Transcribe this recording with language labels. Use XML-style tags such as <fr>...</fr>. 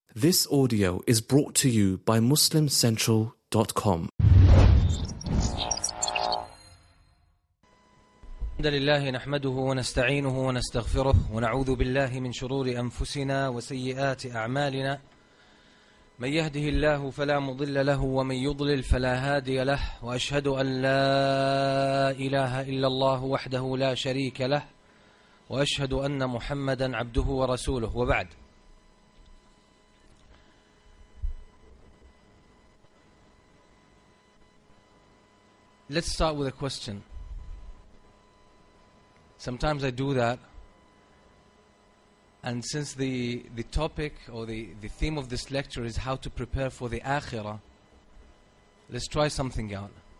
<en>This audio is brought to you by MuslimCentral.com.</en> <ar>الحمد لله نحمده ونستعينه ونستغفره ونعوذ بالله من شرور أنفسنا وسيئات أعمالنا. من يهده الله فلا مضل له ومن يضلل فلا هادي له. وأشهد أن لا إله إلا الله وحده لا شريك له وأشهد أن محمدا عبده ورسوله. وبعد،</ar> <en>Let's start with a question. Sometimes I do that, and since the topic or the theme of this lecture is how to prepare for the Akhirah, let's try something out.</en>